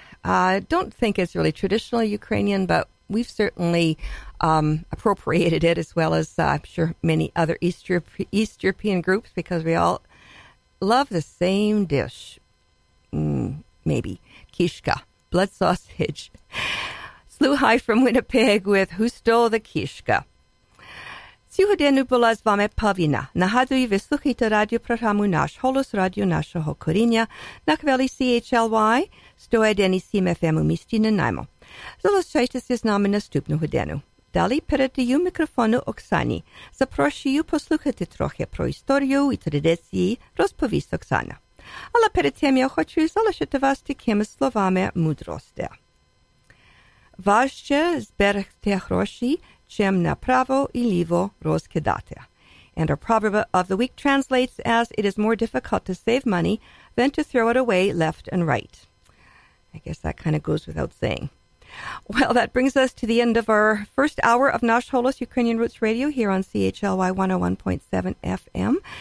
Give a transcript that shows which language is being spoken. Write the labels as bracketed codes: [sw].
[en] I don't think it's really traditionally Ukrainian, but we've certainly appropriated it, as well as I'm sure many other East European groups, because we all love the same dish. Maybe. Kishka. Blood sausage. Slew High from Winnipeg with Who Stole the Кишка. [uk] Сьогодні була з вами Павіна. Нагадую, ви слухаєте радіопрограму «Наш голос», радіо нашого коріння на хвилі CHLY 101.7 FM у місті Нанаймо. Залишайтеся з нами наступну годину. Далі передаю мікрофону Оксані. Запрошую послухати трохи про історію і традиції, розповість Оксана. Але перед тим я хочу залишити вас такими словами мудрості. Важче зберегти гроші, чим направо і ліво розкидати. [en] And our proverb of the week translates as, it is more difficult to save money than to throw it away left and right. I guess that kind of goes without saying. Well, that brings us to the end of our first hour of Nash Holos Ukrainian Roots Radio here on CHLY 101.7 FM.